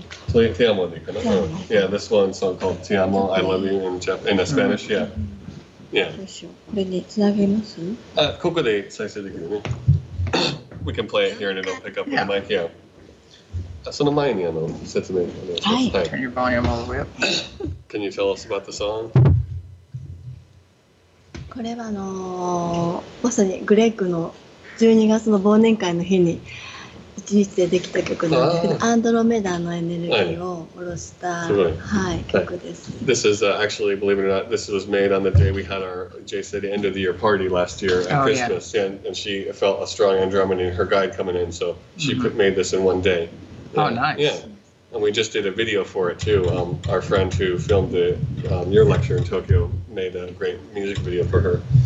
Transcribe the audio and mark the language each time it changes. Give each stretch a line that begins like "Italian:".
English: This one song called Te Amo, I Love You in Japan, in Spanish, yeah. Yeah. We can play it here and it'll pick up on the mic. Yeah. Turn your volume all the way up. Can you tell us about the song?
Japanese: これはまさにグレッグの12月の忘年会の日に一日でできた曲なんですけど、アンドロメダのエネルギーを下ろした、曲です。
English: This is actually, believe it or not, this was made on the day we had our Jay City end of the year party last year at Christmas. Yeah. And she felt a strong Andromeda, her guide coming in, so she made this in one day. Yeah. Oh, nice. Yeah. And we just did a video for it too. Our friend who filmed the, your lecture in Tokyo made a great music video for her.